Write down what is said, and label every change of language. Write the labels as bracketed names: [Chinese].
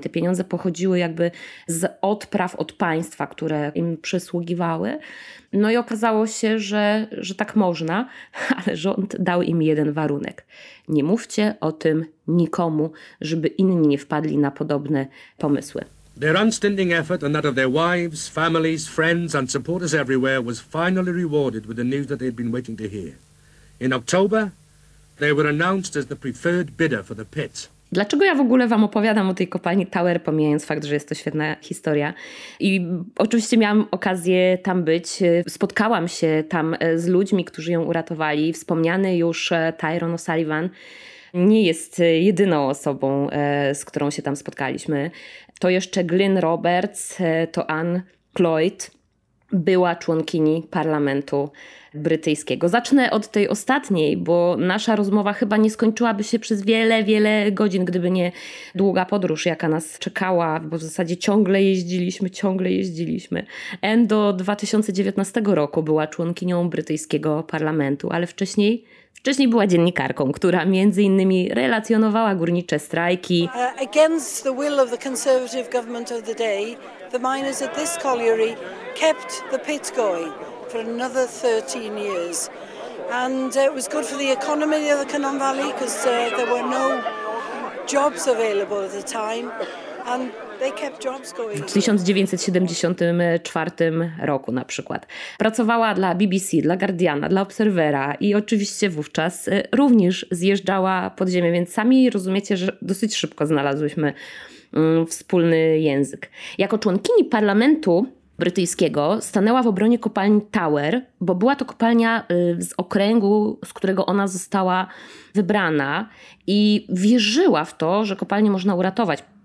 [Polish] Te pieniądze pochodziły jakby z odpraw od państwa, które im przysługiwały. No i okazało się, że tak można, ale rząd dał im jeden warunek. Nie mówcie o tym nikomu, żeby inni nie wpadli na podobne pomysły. [English] Their unstinting effort and that of their wives, families, friends and supporters everywhere was finally rewarded with the news that they'd been waiting to hear. In October they were announced as the preferred bidder for the pit. [Polish] Dlaczego ja w ogóle wam opowiadam o tej kopalni Tower, pomijając fakt, że jest to świetna historia? I oczywiście miałam okazję tam być. Spotkałam się tam z ludźmi, którzy ją uratowali. Wspomniany już Tyrone O'Sullivan nie jest jedyną osobą, z którą się tam spotkaliśmy. To jeszcze Glyn Roberts, to Anne Cloyd, była członkini parlamentu brytyjskiego. Zacznę od tej ostatniej, bo nasza rozmowa chyba nie skończyłaby się przez wiele, wiele godzin, gdyby nie długa podróż, jaka nas czekała, bo w zasadzie ciągle jeździliśmy. Anne do 2019 roku była członkinią brytyjskiego parlamentu, ale wcześniej była dziennikarką, która między innymi relacjonowała górnicze strajki. [English] Against the will of the conservative government of the day, the miners at this colliery kept the pit going for another 13 years. And it was good for the economy of the Canon Valley because there were no jobs available at the time. And they kept jobs going. [Polish] W 1974 roku na przykład pracowała dla BBC, dla Guardiana, dla Observera i oczywiście wówczas również zjeżdżała pod ziemię, więc sami rozumiecie, że dosyć szybko znalazłyśmy wspólny język. Jako członkini parlamentu brytyjskiego stanęła w obronie kopalni Tower, bo była to kopalnia z okręgu, z którego ona została wybrana i wierzyła w to, że kopalnię można uratować.